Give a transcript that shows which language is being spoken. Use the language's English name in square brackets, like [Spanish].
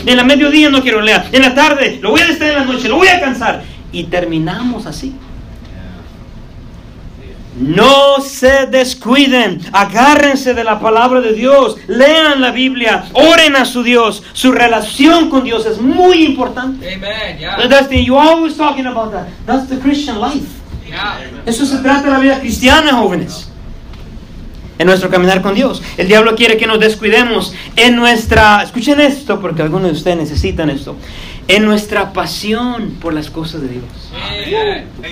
[Spanish] En la mediodía no quiero leer. En la tarde, lo voy a distraer en la noche, lo voy a cansar. Y terminamos así. No se descuiden, agárrense de la palabra de Dios, lean la Biblia, oren a su Dios. Su relación con Dios es muy importante. [English] Amen. Yeah. Dustin, you always talking about that. That's the Christian life. Yeah. [Spanish] Eso se trata de la vida cristiana, jóvenes. En nuestro caminar con Dios, el diablo quiere que nos descuidemos en nuestra, escuchen esto porque algunos de ustedes necesitan esto, en nuestra pasión por las cosas de Dios. Amen.